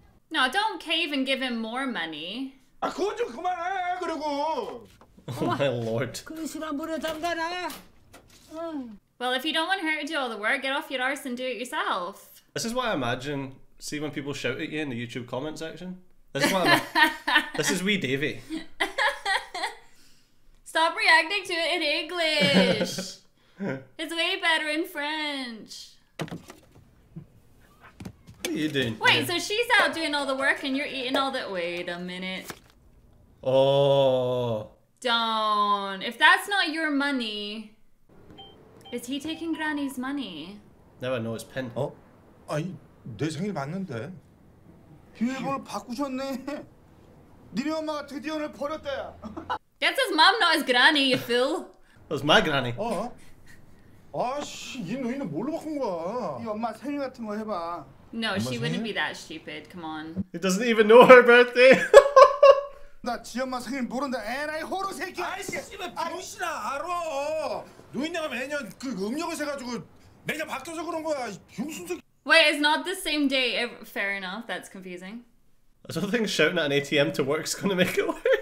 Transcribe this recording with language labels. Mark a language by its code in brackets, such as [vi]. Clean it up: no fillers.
[en] No, don't cave and give him more money. [ko] 아 그건 좀 그만해 그리고. [en] Oh my lord. [ko] 그 시간 물에 담가라. [en] Well, if you don't want her to do all the work, get off your arse and do it yourself. This is what I imagine. See when people shout at you in the YouTube comment section? This is what I'm... This is wee Davey. Stop reacting to it in English. It's way better in French. What are you doing? Wait, yeah. So she's out doing all the work and you're eating all the... Wait a minute. Oh. Don't. If that's not your money... Is he taking Granny's money? Never know his pen. [ko] Oh, 아니 내 생일 맞는데. 비밀번호 바꾸셨네. 니네 엄마가 드디어 널 버렸대. [en] That's his mom, not his granny, you fool. That's my granny. [ko] 어? 아씨, 이 누이는 뭘로 바꾼 거야? 이 엄마 생일 같은 거 해봐. [en] No, she wouldn't be that stupid. Come on. He doesn't even know her birthday. [ko] 나 지 엄마 생일 모른다. 에라이 호로 새끼. 아이씨, 씨발 병신아, 알아. 누이네가 매년 그 음력을 세가지고 매년 바뀌어서 그런 거야. 병신 새끼. [en] Wait, it's not the same day. Fair enough. That's confusing. I don't think shouting at an ATM to work is going to make it work.